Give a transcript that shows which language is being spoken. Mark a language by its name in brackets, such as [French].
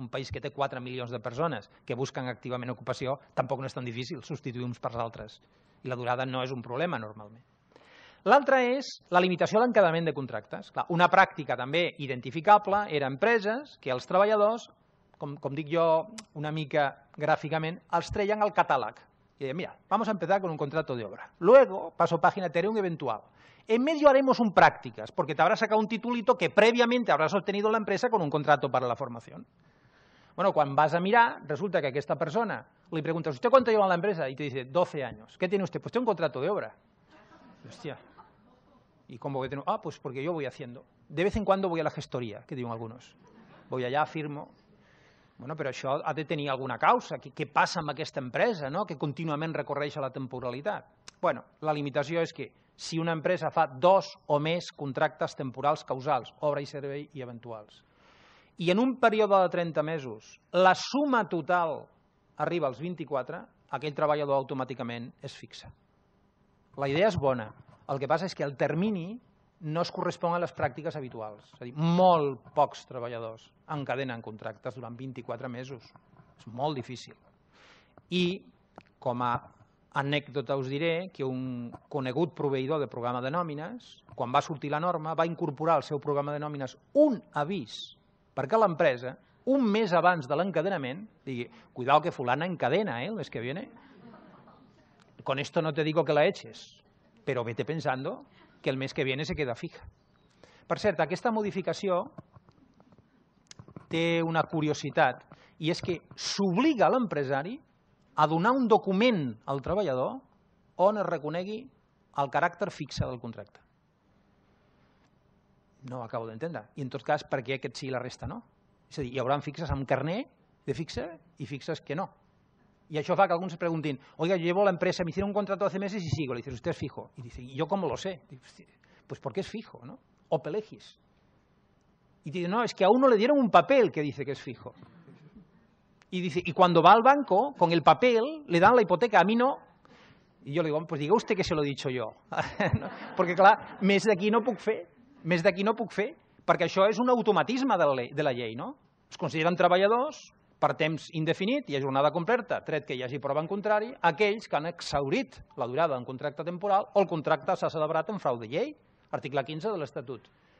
[Catalan] Un país que té 4 milions de persones que busquen activament ocupació, tampoc no és tan difícil substituir uns per als altres. I la durada no és un problema, normalment. L'altra és la limitació a l'encadenament de contractes. Clar, una pràctica també identificable era empreses que els treballadors, com dic jo una mica gràficament, els treien al catàleg. I deien, [Spanish] mira, vamos a empezar con un contrato de obra. Luego, paso página, te haré un eventual. En medio haremos un prácticas, porque te habrás sacado un titulito que previamente habrás obtenido la empresa con un contrato para la formación. Bueno, quan vas a mirar, resulta que a aquesta persona li preguntes, ¿usted cuánto lleva en la empresa? Y te dice, 12 años. ¿Qué tiene usted? Pues tengo un contrato de obra. Hostia. ¿Y cómo que tengo? Ah, pues porque yo voy haciendo. De vez en cuando voy a la gestoría, que digo algunos. Voy allá, firmo. [Catalan] Bueno, però això ha de tenir alguna causa. Què passa amb aquesta empresa, no? Que contínuament recorreix a la temporalitat? Bueno, la limitació és que si una empresa fa dos o més contractes temporals causals, obra i servei i eventuals. I en un període de 30 mesos, la suma total arriba als 24, aquell treballador automàticament es fixa. La idea és bona, el que passa és que el termini no es correspon a les pràctiques habituals. És a dir, molt pocs treballadors encadenen contractes durant 24 mesos. És molt difícil. I, com a anècdota us diré, que un conegut proveïdor de programa de nòmines, quan va sortir la norma, va incorporar al seu programa de nòmines un avís perquè l'empresa, un mes abans de l'encadenament, digui, [Spanish] cuidao que fulana encadena, el mes que viene. Con esto no te digo que la eches, pero vete pensando que el mes que viene se queda fija. [Catalan] Per cert, aquesta modificació té una curiositat i és que s'obliga l'empresari a donar un document al treballador on es reconegui el caràcter fixe del contracte. No ho acabo d'entendre. I en tot cas, per què aquest sí i la resta no? És a dir, hi haurà fixes amb carnet de fixe i fixes que no. I això fa que alguns es preguntin, [Spanish] oiga, yo llevo la empresa, me hicieron un contrato hace meses y sigo. Le dicen, usted es fijo. Y dicen, ¿y yo cómo lo sé? Dicen, pues porque es fijo, ¿no? O pelegis. Y dicen, no, es que a uno le dieron un papel que dice que es fijo. Y dice, y cuando va al banco, con el papel, le dan la hipoteca, a mí no. Y yo le digo, pues diga usted que se lo he dicho yo. Porque, claro, [Catalan] més d'aquí no puc fer. Més d'aquí no puc fer. Perquè això és un automatisme de la llei, no? Es consideren treballadors per temps indefinit i a jornada completa, tret que hi hagi prova en contrari, aquells que han exhaurit la durada d'un contracte temporal o el contracte s'ha celebrat en frau de llei, article 15 de l'Estatut.